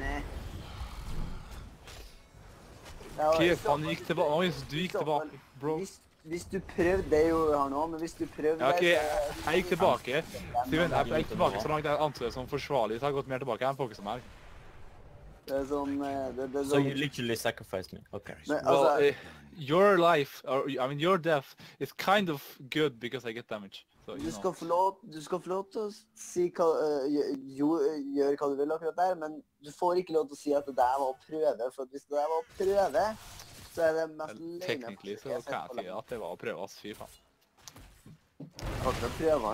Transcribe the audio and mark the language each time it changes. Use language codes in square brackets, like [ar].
[no] Nei. Kiff, han gikk tilbake. Nei, så du gikk tilbake, bro. Hvis du prøvde det jo her nå, men hvis du prøvde det... Ja, ok, jeg gikk tilbake. Steven, jeg gikk tilbake så langt jeg anser det som forsvarlig. Så har jeg gått mer tilbake enn folk som er. Det er sånn... Så du literally sacrificed meg? Ok. [en] Your life, or I mean your death, is kind of good because I get damage. So, [no] du skal få lov, du skal få lov til å si hva, gjør hva du vil akkurat der, men du får ikke lov til å si at det der var å prøve, for hvis det der var å prøve, så er det mest lenge. Teknikkelig så kan jeg si at det var å prøve, ass, fy faen. Akkurat å prøve, hva